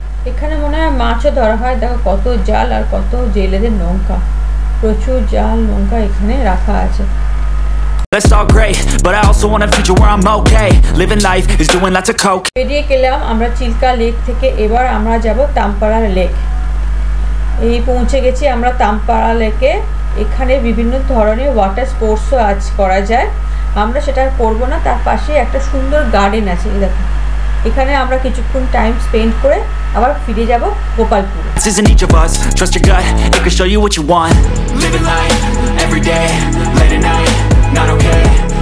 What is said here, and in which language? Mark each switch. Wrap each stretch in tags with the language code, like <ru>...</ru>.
<bn>এখানে মনে হয় মাছও ধরা হয়, দেখো কত জাল আর কত জেলেদের নৌকা, প্রচুর জাল নৌকা এখানে রাখা আছে।</bn> <en>That's all great, but I also want a future where I'm okay. Living life is doing lots of coke.</en> <bn>বেরিয়ে গেলাম আমরা চিল্কা লেক থেকে, এবার আমরা যাব তামপাড়া লেক। এই পৌঁছে গেছি আমরা তামপাড়া লেকে। এখানে বিভিন্ন ধরনের ওয়াটার স্পোর্টসও আজ করা যায়, আমরা সেটা করব না। তার পাশে একটা সুন্দর গার্ডেন আছে, দেখো। এখানে আমরা কিছুক্ষণ টাইম স্পেন্ড করে আবার ফিরে যাব Gopalpur.</bn> <en>This is in each of us, trust your gut, it can show you what you want. Living life, every day, late at night.</en>